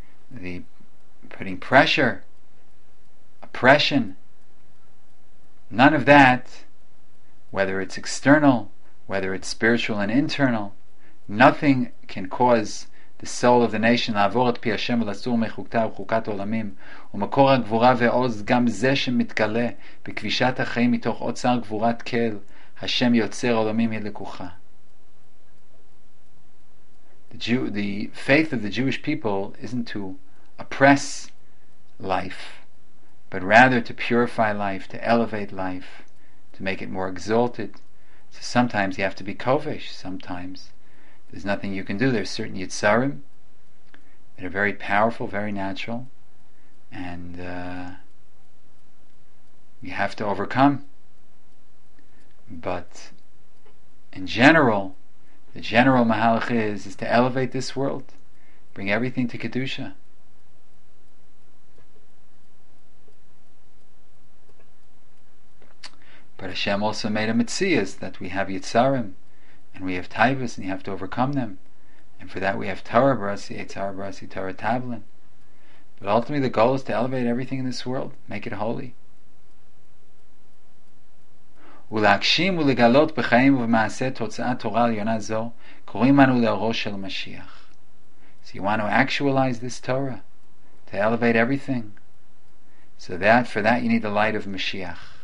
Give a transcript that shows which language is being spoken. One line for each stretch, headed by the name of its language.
English: the putting pressure, oppression, none of that, whether it's external, whether it's spiritual and internal, nothing can cause the soul of the nation
Hebrew: לעבור את פי השם ולסור מחוקתה וחוקת עולמים ומקור הגבורה ועוז גם זה שמתגלה בכבישת החיים מתוך אוצר גבורת כל השם יוצר עולמים ילקוחה.
English: The faith of the Jewish people isn't to oppress life, but rather to purify life, to elevate life, to make it more exalted. So sometimes you have to be kovish, sometimes there's nothing you can do. There's certain yitzarim that are very powerful, very natural, and you have to overcome. But in general, the general mahalach is to elevate this world, bring everything to Kedusha. But Hashem also made a metzias that we have yitzarim, and we have taivas, and you have to overcome them. And for that we have Torah barasi, Yitzharah barasi, Torah tablin. But ultimately the goal is to elevate everything in this world, make it holy.
Hebrew: ולהגשים ולגלות בחיים ובמעשה תוצאת תורה עליונה זו קוראים אנו לאורו של משיח.
English: So you want to actualize this Torah, to elevate everything. So that, for that you need the light of Mashiach.